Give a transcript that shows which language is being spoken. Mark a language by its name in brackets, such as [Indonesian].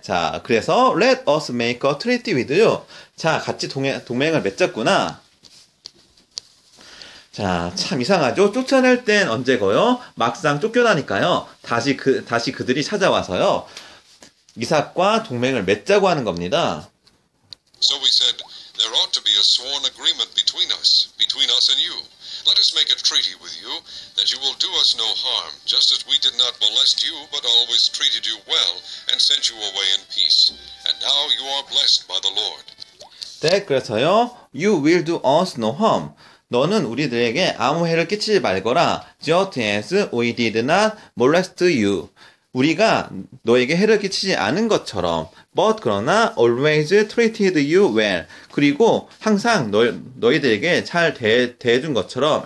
[Korean] 자, 그래서 [English] let us make a treaty with you. [Korean] 자, 같이 동맹을 맺었구나. 자, 참 이상하죠? 쫓아낼 땐 언제고요? 막상 쫓겨나니까요. 다시 그들이 찾아와서요. 이삭과 동맹을 맺자고 하는 겁니다. [English] So we said, there ought to be a sworn agreement between us and you. Let us make a treaty with you that you will do us no harm, just as we did not molest you, but always treated you well and sent you away in peace. And now you are blessed by the Lord. That, [Korean] 그래서요, [English] you will do us no harm. [Korean] 너는 우리들에게 아무 해를 끼치지 말거라. [English] Jot as we did not molest you. [Korean] 우리가 너에게 해를 끼치지 않은 것처럼. [English] But [Korean] 그러나 [English] always treated you well. [Korean] 그리고 항상 너희들에게 잘 대해준 것처럼.